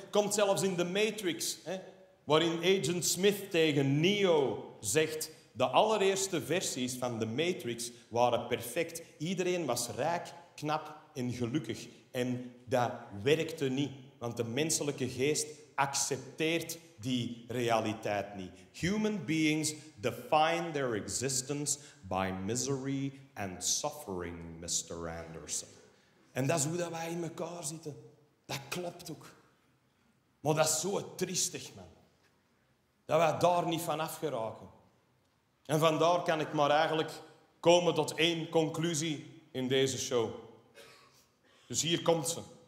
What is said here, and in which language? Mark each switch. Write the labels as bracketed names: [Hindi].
[Dutch] Komt zelfs in The Matrix, hè? Waarin Agent Smith tegen Neo zegt... De allereerste versies van The Matrix waren perfect. Iedereen was rijk, knap en gelukkig. En dat werkte niet. Want de menselijke geest accepteert die realiteit niet. [English] Human beings define their existence by misery and suffering, Mr. Anderson. [Dutch] En dat is hoe dat wij in elkaar zitten. Dat klopt ook. Maar dat is zo triestig, man. Dat wij daar niet van afgeraken. En vandaar kan ik maar eigenlijk komen tot één conclusie in deze show. Dus hier komt ze.